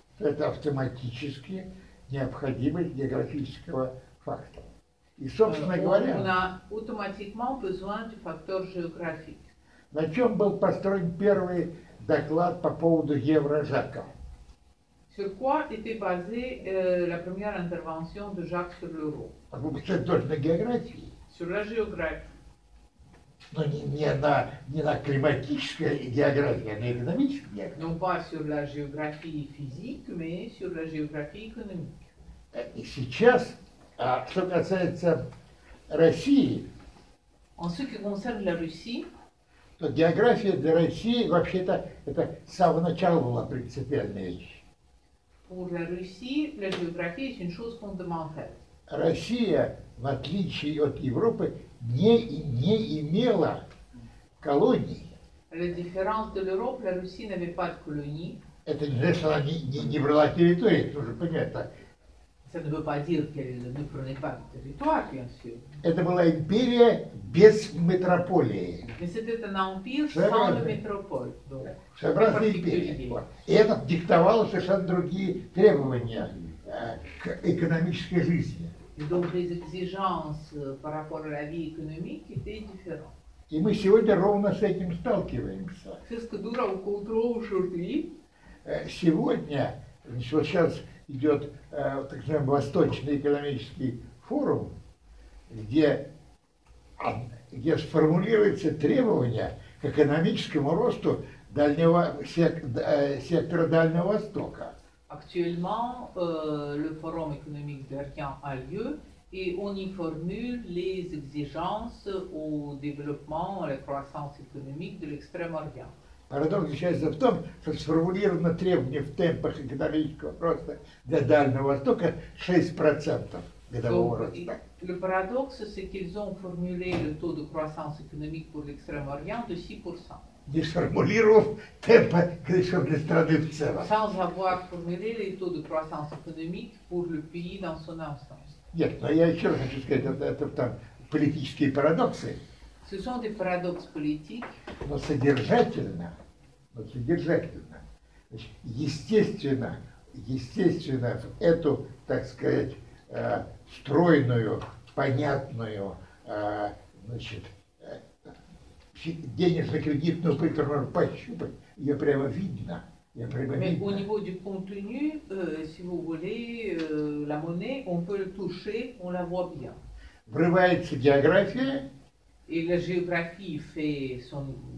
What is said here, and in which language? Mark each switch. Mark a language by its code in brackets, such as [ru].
[ru] c'est автоматически географического фактора. И, собственно говоря, [fr] on a automatiquement besoin du facteur géographique. [ru] На чем был построен первый доклад по поводу Евро-Жака? [fr] Sur quoi était basée la première intervention de Jacques sur l'euro? Sur la géographie. [ru] Но не на климатической географии, а на экономической географии. [fr] Non pas sur la géographie physique, mais sur la géographie économique. [ru] И сейчас, что касается России, [fr] en ce qui concerne la Russie, [ru] то география для России вообще-то это с самого начала была принципиальная вещь. [fr] Pour la Russie, la géographie est une chose fondamentale. [ru] Россия, в отличие от Европы, не имела колоний. [fr] La différence de l'Europe, la Russie n'avait pas de colonies. [ru] Это не значит, что она не брала территории, это уже понятно. [fr] Ça ne veut pas dire qu'elle ne prenait pas de territoire, bien sûr. [ru] Это была империя без метрополии. [fr] Mais c'était un empire sans métropole. [ru] Своеобразная империя. И это диктовало совершенно другие требования к экономической жизни. [fr] Et donc les exigences par rapport à la vie économique étaient différentes. [ru] И мы сегодня ровно с этим сталкиваемся. Сейчас дурал контрол шурти. Сегодня, значит, вот сейчас идет так называемый Восточный экономический форум, где сформулируются требования к экономическому росту дальнего сектора Дальнего Востока. [fr] Actuellement, le forum économique d'Arcan a lieu. Et on y formule les exigences au développement, à la croissance économique de l'Extrême-Orient. [ru] Paradoxe заключается в том, что сформулировано требование в темпах экономического роста для Дальнего Востока 6% годового роста. [fr] Le paradoxe, c'est qu'ils ont formulé le taux de croissance économique pour l'Extrême-Orient de 6%. [ru] Не сформулировав темпы для страны в целом. [fr] Sans avoir formulé les taux de croissance économique pour le pays dans son ensemble. [ru] Нет, но я еще раз хочу сказать, это там политические парадоксы. [fr] Ce sont des paradoxes politiques. [ru] Но содержательно. Значит, естественно, в эту, так сказать, стройную, понятную, значит, денежно-кредитную программу пощупать, ее прямо видно. [fr] Mais au niveau du contenu, si vous voulez, la monnaie, on peut le toucher, on la voit bien. [ru] Врывается география. [fr] Et la géographie fait son.